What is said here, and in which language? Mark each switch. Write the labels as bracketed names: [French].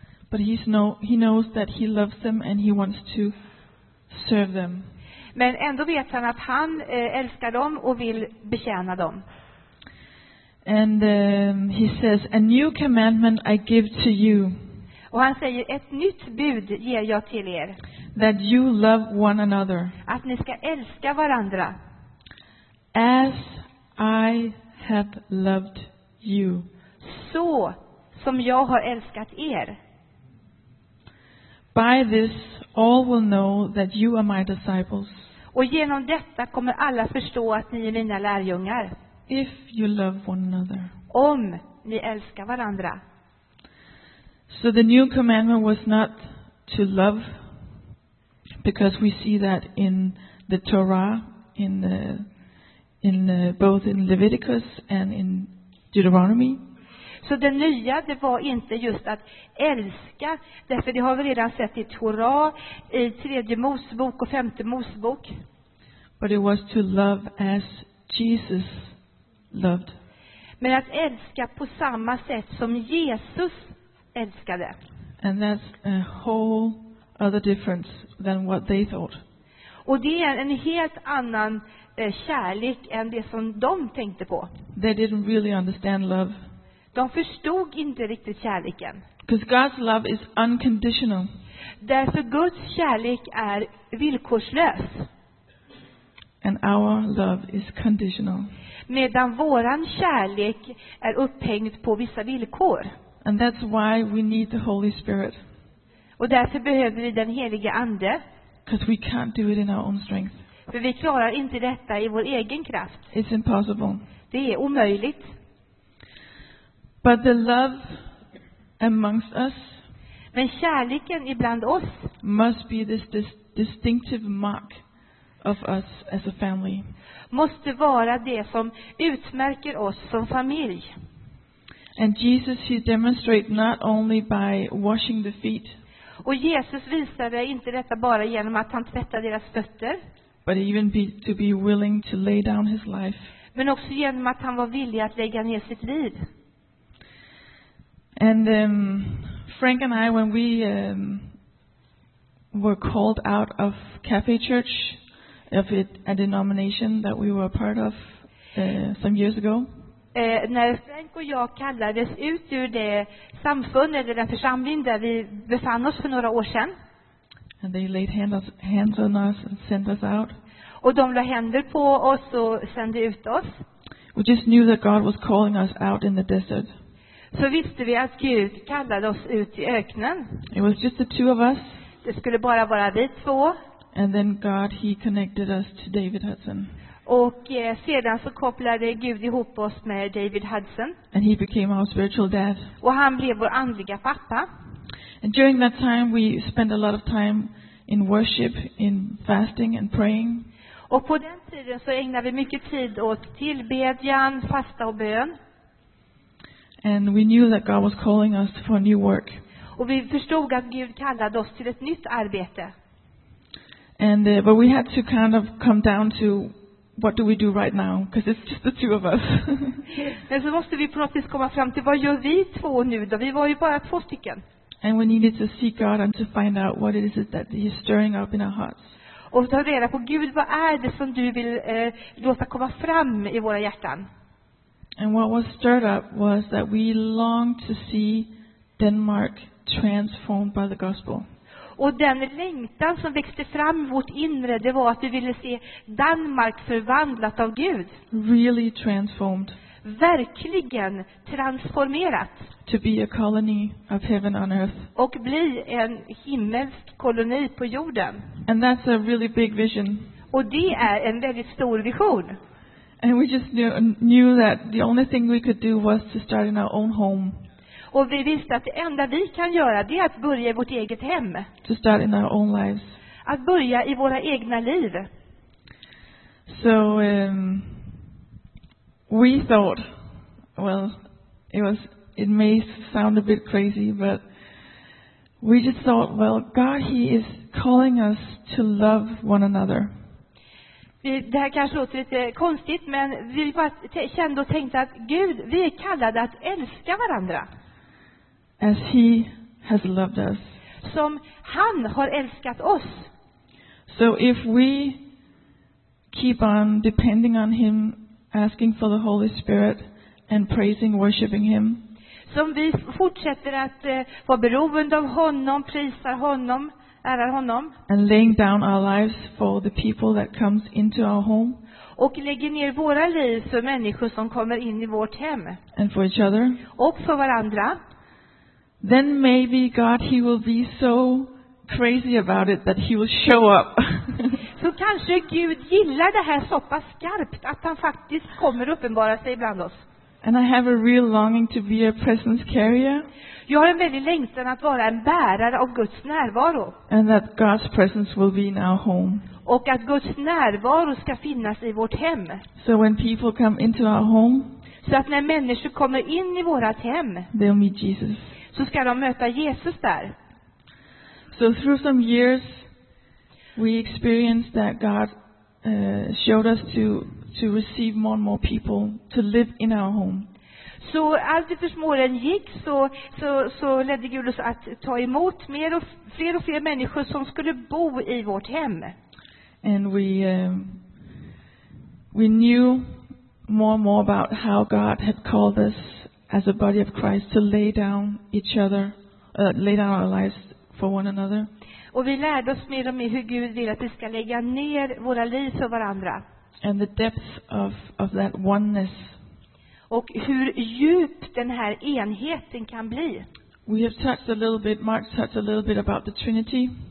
[English] But he knows that he loves them and he wants to serve them. [Swedish] Men ändå vet han att han älskar dem och vill betjäna dem. [English] And he says, a new commandment I give to you. [Swedish] Och han säger, ett nytt bud ger jag till er. [English] That you love one another. [Swedish] Att ni ska älska varandra. [English] As I have loved you. [Swedish] Så som jag har älskat er. [English] By this all will know that you are my disciples. [Swedish] Och genom detta kommer alla förstå att ni är mina lärjungar. [English] If you love one another. [Swedish] Om ni älskar varandra. [English] So the new commandment was not to love, because we see that in the Torah, in the both in Leviticus and in Deuteronomy. [Swedish] Så det nya, det var inte just att älska, därför det har vi redan sett i Torah, i tredje Mosebok och femte Mosebok. [English] But it was to love as Jesus loved. [Swedish] Men att älska på samma sätt som Jesus älskade. [English] And that's a whole other difference than what they thought. [Swedish] Och det är en helt annan kärlek än det som de tänkte på. [English] They didn't really understand love. [Swedish] De förstod inte riktigt kärleken. [English] Because God's love is unconditional. [Swedish] Därför Guds kärlek är villkorslös. [English] And our love is conditional. [Swedish] Medan våran kärlek är upphängd på vissa villkor. [English] And that's why we need the Holy Spirit. [Swedish] Och därför behöver vi den helige ande. [English] Because we can't do it in our own strength. [Swedish] För vi klarar inte detta i vår egen kraft. [English] It's impossible. [Swedish] Det är omöjligt. [English] But the love amongst us. [Swedish] Men kärleken ibland oss. [English] Must be this distinctive mark of us as a family. [Swedish] Måste vara det som utmärker oss som familj. [English] And Jesus, he demonstrated not only by washing the feet. [Swedish] Och Jesus visade inte detta bara genom att han tvättade deras fötter. [English] But even to be willing to lay down his life. [Swedish] Men också genom att han var villig att lägga ner sitt liv. [English] And Frank and I, when we were called out of Cafe Church, of it, a denomination that we were a part of some years ago. [Swedish] När Frank och jag kallades ut ur det samfund eller den församling där vi befann oss för några år sedan. [English] And they laid hands on us and sent us out. [Swedish] Och de la händer på oss och sände ut oss. [English] We just knew that God was calling us out in the desert. [Swedish] Så visste vi att Gud kallade oss ut i öknen. [English] It was just the two of us. [Swedish] Det skulle bara vara vi två. [English] And then God, he connected us to David Hudson. [Swedish] Och sedan så kopplade Gud ihop oss med David Hudson. [English] And he became our spiritual dad. [Swedish] Och han blev vår andliga pappa. [English] And during that time we spent a lot of time in worship, in fasting and praying. [Swedish] Och på den tiden så ägnade vi mycket tid åt tillbedjan, fasta och bön. [English] And we knew that God was calling us for a new work. [Swedish] Och vi förstod att Gud kallade oss till ett nytt arbete. [English] And but we had to kind of come down to what do we do right now? Because it's just the two of us. [Swedish] Men så måste vi på något vis komma fram till vad gör vi två nu då? Vi var ju bara två stycken. [English] And we needed to seek God and to find out what it is that He's stirring up in our hearts. [Swedish] Och ta reda på Gud, vad är det som du vill låta komma fram i våra hjärtan? [English] And what was stirred up was that we longed to see Denmark transformed by the gospel. [Swedish] Och den längtan som växte fram i vårt inre, det var att vi ville se Danmark förvandlat av Gud. [English] Really transformed. [Swedish] Verkligen transformerat. [English] To be a colony of heaven on earth. [Swedish] Och bli en himmelsk koloni på jorden. [English] And that's a really big vision. [Swedish] Och det är en väldigt stor vision. [English] And we just knew that the only thing we could do was to start in our own home. [Swedish] Och vi visste att det enda vi kan göra det är att börja i vårt eget hem. [English] To start in our own lives. [Swedish] Att börja i våra egna liv. [English] So we thought, well, it may sound a bit crazy, but we just thought, well, God, He is calling us to love one another. [Swedish] Det här kanske låter lite konstigt, men vi bara kände och tänkte att Gud, vi är kallade att älska varandra. [English] As He has loved us. [Swedish] Som han har älskat oss. [English] So if we keep on depending on Him, asking for the Holy Spirit and praising, worshiping Him. [Swedish] Som vi fortsätter att vara beroende av honom, prisa honom, ära honom. [English] And laying down our lives for the people that comes into our home. [Swedish] Och lägger ner våra liv för människor som kommer in i vårt hem. [English] And for each other. [Swedish] Och för varandra. [English] Then maybe God, He will be so crazy about it that He will show up. [Swedish] Så kanske Gud gillar det här så pass skarpt att han faktiskt kommer uppenbara sig bland oss. [English] And I have a real longing to be a presence carrier. [Swedish] Jag har en väldig längtan att vara en bärare av Guds närvaro. [English] And that God's presence will be in our home. [Swedish] Och att Guds närvaro ska finnas i vårt hem. [English] So when people come into our home. [Swedish] Så att när människor kommer in i vårt hem. [English] They'll meet Jesus. [Swedish] Så ska de möta Jesus där. [English] So through some years we experienced that God showed us to receive more and more people to live in our home. [Swedish] Så allt det småren gick så ledde Gud oss att ta emot mer och fler människor som skulle bo i vårt hem. [English] And we knew more and more about how God had called us as a body of Christ to lay down each other, lay down our lives for one another. [Swedish] Och vi lärde oss mer om hur Gud vill att vi ska lägga ner våra liv för varandra. [English] And the depth of that oneness. [Swedish] Och hur djup den här enheten kan bli. [English] We have touched a little bit, Mark touched a little bit about the Trinity.